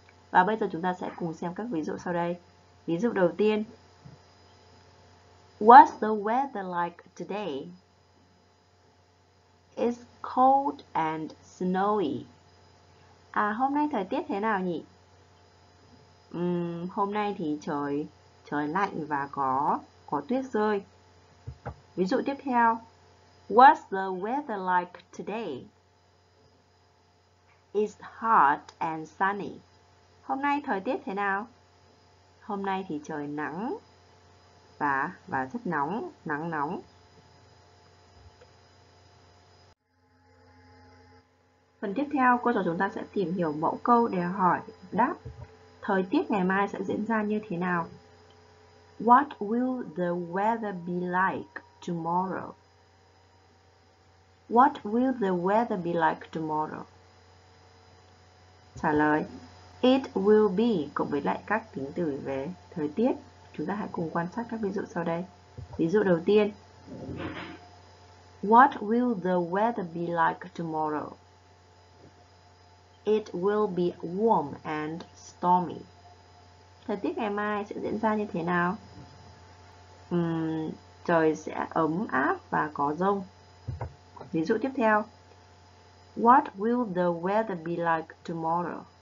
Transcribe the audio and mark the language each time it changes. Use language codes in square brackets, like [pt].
[vi] Và bây giờ chúng ta sẽ cùng xem các ví dụ sau đây. Ví dụ đầu tiên, [en] What's the weather like today? It's cold and snowy. [vi] À, hôm nay thời tiết thế nào nhỉ? Hôm nay thì trời lạnh và có tuyết rơi. Ví dụ tiếp theo, [en] What's the weather like today? It's hot and sunny. [vi] Hôm nay thời tiết thế nào? Hôm nay thì trời nắng và rất nóng, nắng nóng. Phần tiếp theo, cô trò chúng ta sẽ tìm hiểu mẫu câu để hỏi đáp thời tiết ngày mai sẽ diễn ra như thế nào. [en] What will the weather be like tomorrow? What will the weather be like tomorrow? [vi] Trả lời, [en] it will be [vi] cộng với lại các tính từ về thời tiết. Chúng ta hãy cùng quan sát các ví dụ sau đây. Ví dụ đầu tiên, [en] what will the weather be like tomorrow? It will be warm and stormy. [vi] Thời tiết ngày mai sẽ diễn ra như thế nào? Trời sẽ ấm áp và có dông. Ví dụ tiếp theo, [en] what will the weather be like tomorrow?